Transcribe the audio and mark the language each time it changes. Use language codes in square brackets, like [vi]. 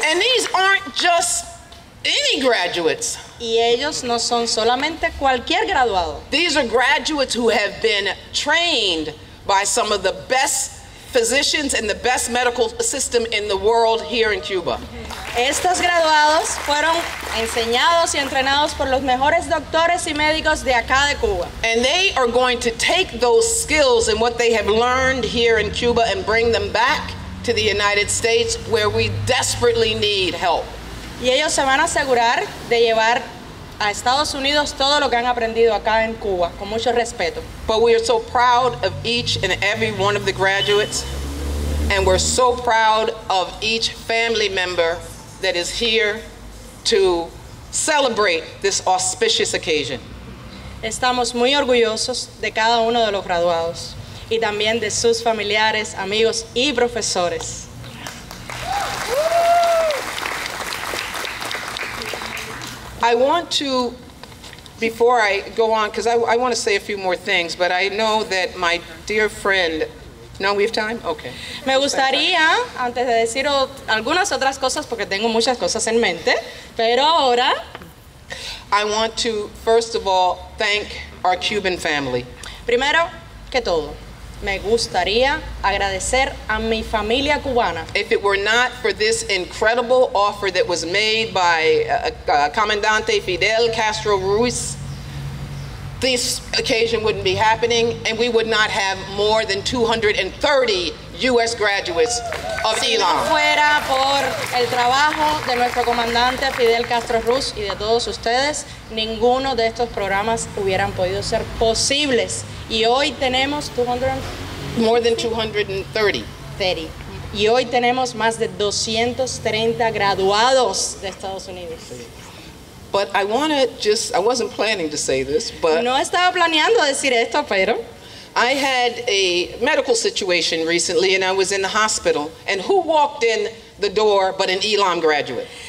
[en] And these aren't just any graduates. [es] Y ellos no son solamente cualquier graduado. [en] These are graduates who have been trained by some of the best physicians and the best medical system in the world here in Cuba. [es] Estos graduados fueron enseñados y entrenados por los mejores doctores y médicos de acá de Cuba. [en] And they are going to take those skills and what they have learned here in Cuba and bring them back to the United States, where we desperately need help. [es] Y ellos se van a asegurar de llevar a Estados Unidos todo lo que han aprendido acá en Cuba, con mucho respeto. [en] But we are so proud of each and every one of the graduates, and we're so proud of each family member that is here to celebrate this auspicious occasion. [es] Estamos muy orgullosos de cada uno de los graduados, y también de sus familiares, amigos y profesores. [en] I want to, before I go on, because I want to say a few more things, but I know that my dear friend, no, we have time? Okay. [es] Me gustaría, antes de decir algunas otras cosas, porque tengo muchas cosas en mente, pero ahora. [en] I want to, first of all, thank our Cuban family. [es] Primero que todo, me gustaría agradecer a mi familia cubana. [en] If it were not for this incredible offer that was made by Comandante Fidel Castro Ruiz, this occasion wouldn't be happening, and we would not have more than 230 U.S. graduates of ELAM. [es] Si no fuera por el trabajo de nuestro comandante Fidel Castro Ruiz y de todos ustedes, ninguno de estos programas hubieran podido ser posibles. Y hoy tenemos 200... [en] More than 230. [es] Y hoy tenemos más de 230 graduados de Estados Unidos. [en] But I want to just, I wasn't planning to say this, but... [es] No estaba planeando decir esto, pero... [en] I had a medical situation recently and I was in the hospital. And who walked in the door but an ELAM graduate?